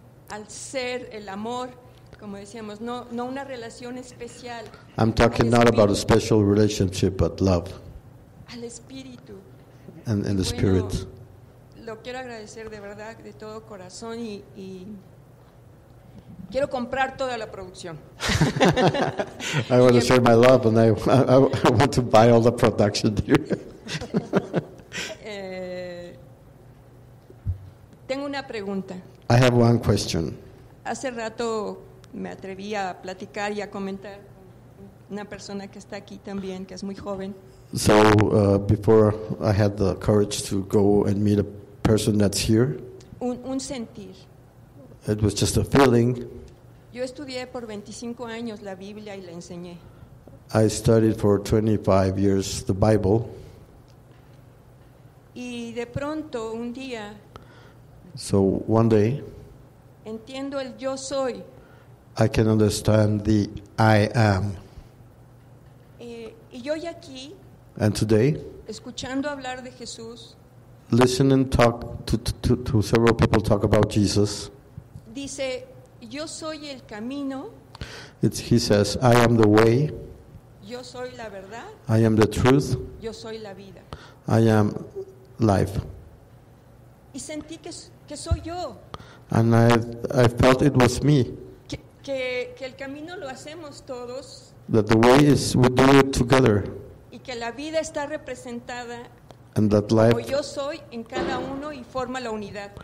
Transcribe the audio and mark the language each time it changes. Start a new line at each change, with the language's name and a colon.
Spanish: Al ser el amor, como decíamos, no una relación especial.
English: I'm talking not about a special relationship, but love.
Spanish: Al espíritu.
English: And the
Spanish: bueno,
English: spirit.
Spanish: Lo quiero agradecer de verdad, de todo corazón, y quiero comprar toda la producción.
English: I want to share my love and I want to buy all the production here.
Spanish: Tengo una pregunta.
English: I have one question.
Spanish: Hace rato me atreví a platicar y a comentar una persona que está aquí también, que es muy joven.
English: So before I had the courage to go and meet a person that's here.
Spanish: Un sentir.
English: It was just a feeling.
Spanish: Yo estudié por 25 años la Biblia y la enseñé.
English: I studied for 25 years the Bible.
Spanish: Y de pronto un día.
English: So one day.
Spanish: Entiendo el yo soy.
English: I can understand the I am.
Spanish: Y yo y aquí.
English: And today.
Spanish: Escuchando hablar de Jesús.
English: Listening talk to several people talk about Jesus.
Spanish: Dice, yo soy el camino.
English: He says, I am the way.
Spanish: Yo soy la verdad.
English: I am the truth.
Spanish: Yo soy la vida.
English: I am life.
Spanish: Y sentí que soy yo.
English: And I felt it was me.
Spanish: Que el camino lo hacemos todos.
English: That the way is we do it together.
Spanish: Y que la vida está representada.
English: And that life.
Spanish: O yo soy en cada uno y forma la unidad.